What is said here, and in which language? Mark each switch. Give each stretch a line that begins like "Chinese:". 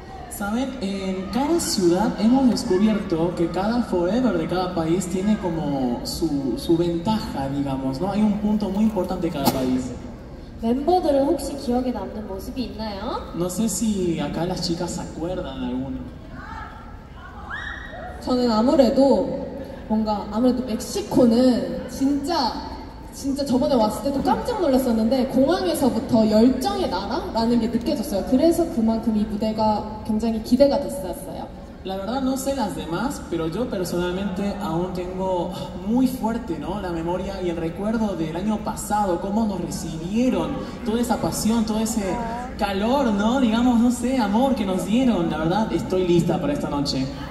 Spanish: Saben, en cada ciudad hemos descubierto que cada forever de cada país tiene como su ventaja, digamos, ¿no? Hay un punto muy importante de cada país.
Korean: 멤버들은 혹시 기억에 남는 모습이 있나요?
Spanish: No sé si acá las chicas se acuerdan alguno.
Korean: 저는 아무래도 뭔가 아무래도 멕시코는 진짜 저번에 왔을 때도 깜짝 놀랐었는데 공항에서부터 열정의 나라라는 게 느껴졌어요. 그래서 그만큼 이 무대가 굉장히 기대가 됐었어요.
Spanish: La verdad no sé las demás, pero yo personalmente aún tengo muy fuerte, ¿no? La memoria y el recuerdo del año pasado, cómo nos recibieron, toda esa pasión, todo ese calor, ¿no? Digamos, no sé, amor que nos dieron. La verdad, estoy lista para esta noche.